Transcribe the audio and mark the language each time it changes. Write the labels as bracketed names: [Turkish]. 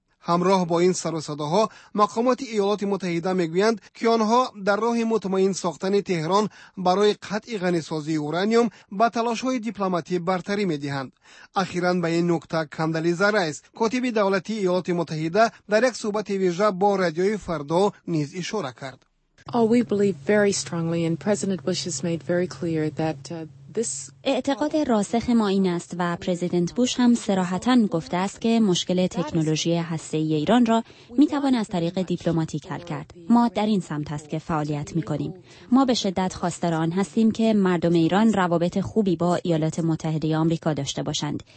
[Persian] همراه با این سر و صداها مقامات ایالات متحده میگویند که آنها در راه مطمئن ساختن تهران برای قطع غنی‌سازی اورانیوم با تلاش‌های دیپلماتی برتری می‌دهند. اخیراً به این نکته کندالیزا رئیس کاتب دولتی ایالات متحده در یک صحبت ویژه با رادیوی فردا نیز اشاره کرد. [English] We believe very strongly and President Bush has made very clear that [Persian] اعتقاد راسخ ما این است و پرزیدنت بوش هم صراحتاً گفته است که مشکل تکنولوژی هسته‌ای ایران را میتوان از طریق دیپلماتیک حل کرد. ما در این سمت است که فعالیت میکنیم. ما به شدت خواستار آن هستیم که مردم ایران روابط خوبی با ایالات متحده آمریکا داشته باشند.